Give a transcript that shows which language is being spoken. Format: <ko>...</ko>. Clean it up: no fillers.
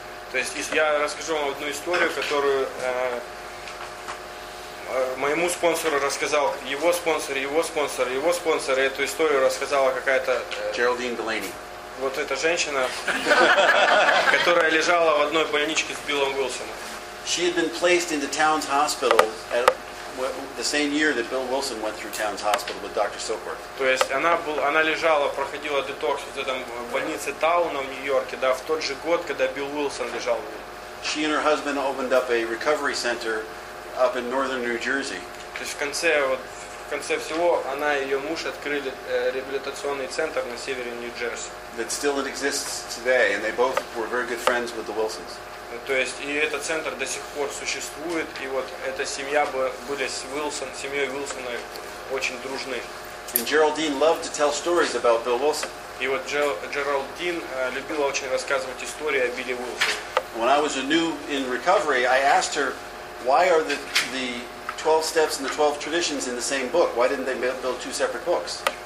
<ru>То есть я расскажу вам одну историю, которую моему спонсору рассказал его спонсор, и эту историю рассказала какая-то...</ru> <en>Geraldine Delaney.</en> <ru>Вот эта женщина, которая лежала в одной больничке с Биллом Уилсоном.</ru> <en>She had been placed into Towns Hospital at the same year that Bill Wilson went through Towns Hospital with Dr. Silkworth.</en> <ru>То есть она лежала, проходила детокс в этом больнице Тауна в Нью-Йорке, да, в тот же год, когда Билл Уилсон лежал.</ru> <en>She and her husband opened up a recovery center up in northern New Jersey.</en> <ru>То есть в конце всего она и ее муж открыли реабилитационный центр на севере Нью-Джерси.</ru> <en>That still exists today, and they both were very good friends with the Wilsons.</en> <ru>То есть и этот центр до сих пор существует, и вот эта семья были с Уилсон, семьей Уилсона очень дружны.</ru> <en>And Geraldine loved to tell stories about Bill Wilson.</en> <ru>И вот Джеральдин любила очень рассказывать истории о Билле Уилсоне.</ru> <en>When I was a new in recovery, I asked her, why are the 12 steps and the 12 traditions in the same book? Why didn't they build two separate books?</en>